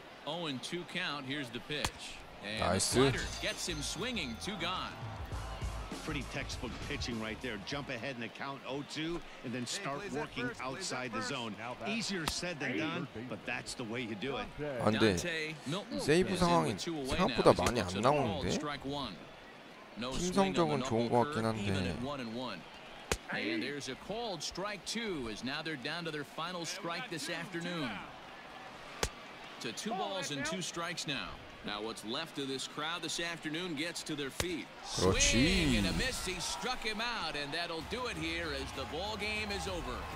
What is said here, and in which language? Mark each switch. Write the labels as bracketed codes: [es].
[en] 0-2 count, here's the pitch. And slider gets him swinging, two gone. Pretty textbook pitching right there. Jump ahead in the count, 0-2, and then start working outside the zone. Easier said than done, but that's the way you do it. [ko] 안 돼. 세이브 상황이 생각보다 많이 안 나오는데. 팀성적은 좋은 것 같긴 한데. [en] And there's a called strike two, as now they're down to their final strike this afternoon. To two balls and two strikes now. Now what's left of this crowd this afternoon gets to their feet. Swing and a miss. He struck him out, and that'll do it here as the ball game is over.